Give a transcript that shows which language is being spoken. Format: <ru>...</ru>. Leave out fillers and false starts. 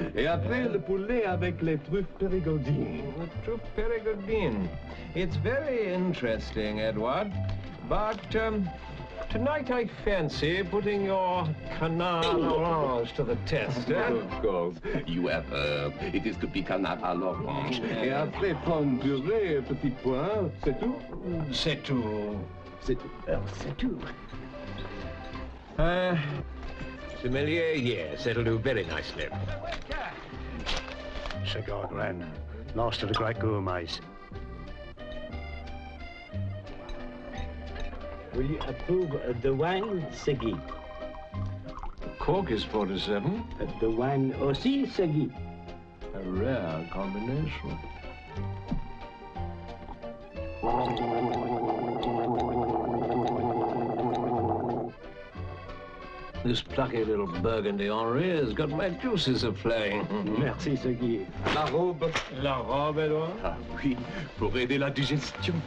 <fr>Et après, le poulet avec les truffes périgordines. The truffes périgordines.</fr> <en>It's very interesting, Edward. But, tonight I fancy putting your canard à l'orange to the test. Of course, you have heard. It is to be canard à l'orange.</en> <fr>Et après, pomme purée, petit point, c'est tout? C'est tout. C'est tout. C'est tout.</fr> <en>Sommelier, yes, it'll do very nicely. Sir Gordon, last of the great gourmets. Will you approve the wine, Segui? The cork is 47. The wine aussi, Segui. A rare combination. This plucky little burgundy Henri has got my juices a-flowing.</en> <fr>Merci, Segui. La robe. La robe, Edouard? Ah, oui, pour aider la digestion.</fr>